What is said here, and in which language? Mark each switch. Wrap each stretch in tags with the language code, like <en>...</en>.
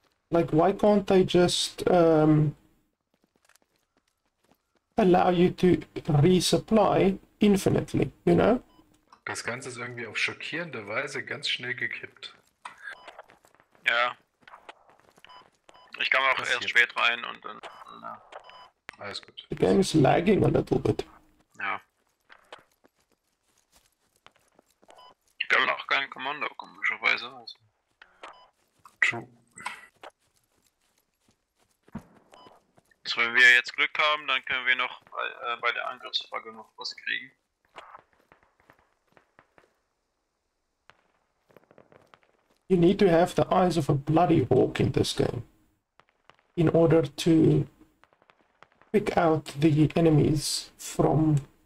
<en>Like, why can't they just allow you to resupply infinitely, you know?</en> <de>Das Ganze ist irgendwie auf schockierende Weise ganz schnell gekippt. Ja. Ich kam auch erst spät rein und dann... Na. Alles gut.</de> <en>The game is lagging a little bit.</en> <de>Ja. Ich kann auch kein Kommando, komischerweise.</de> <en>True.</en> <de>Also wenn wir jetzt Glück haben, dann können wir noch bei der Angriffsfrage noch was kriegen.</de> <en>You need to have the eyes of a bloody hawk in this game in order to pick out the enemies from</en>